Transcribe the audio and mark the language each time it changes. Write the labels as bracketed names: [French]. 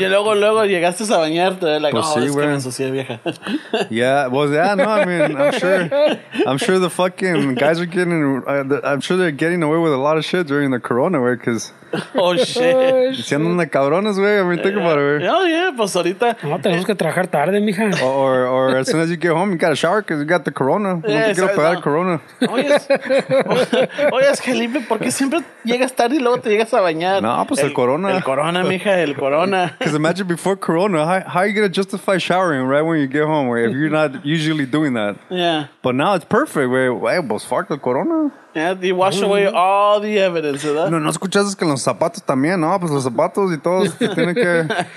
[Spanish] Y luego llegaste a bañarte, like, pues oh, sí, es que me ensucié, vieja. [English] Yeah, well, yeah, no, I mean, I'm sure the fucking guys are getting, I'm sure they're getting away with a lot of shit during the corona, wey, because. Oh shit. [Spanish] Siendo de cabrones, güey. [English] I mean, think about it, güey. [Spanish] Oh yeah, pues ahorita. No, tenemos que trabajar tarde, mija. [English] Or as soon as you get home, you gotta shower because you got the corona. [Spanish] Yeah, no te quiero pegar corona. Oye, es Felipe, ¿por qué siempre llegas tarde y luego te llegas a bañar? No, pues el corona. El corona, mija, el corona. [English] Because imagine before corona, how are you gonna justify showering right when you get home, güey, if you're not usually doing that? Yeah. But now it's perfect, güey. [Spanish] Güey, pues fuck el corona. [English] Yeah, you wash away all the evidence of that. [Spanish] No, escuchaste que los zapatos también, ¿no? Pues los zapatos y todos tienen que...